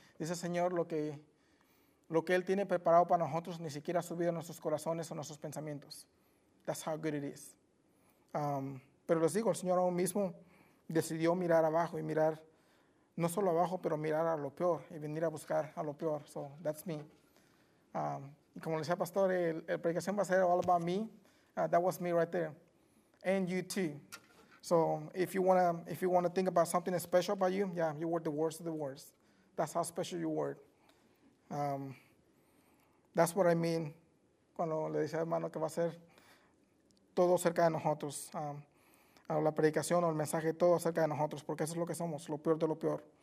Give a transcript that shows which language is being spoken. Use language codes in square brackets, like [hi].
[es] Dice Señor, lo que Él tiene preparado para nosotros ni siquiera ha subido a nuestros corazones o nuestros pensamientos. [en] That's how good it is. [es] Pero les digo, el Señor aún mismo decidió mirar abajo y mirar, no solo abajo, pero mirar a lo peor y venir a buscar a lo peor. [en] So, that's me. [es] Y como le decía Pastor, el predicación va a ser [en] all about me. That was me right there. And you too. So, if you wanna think about something special about you, yeah, you were the worst of the worst. That's how special you were. That's what I mean [es] cuando le decía al hermano que va a ser todo cerca de nosotros. A la predicación o el mensaje, todo acerca de nosotros, porque eso es lo que somos, lo peor de lo peor.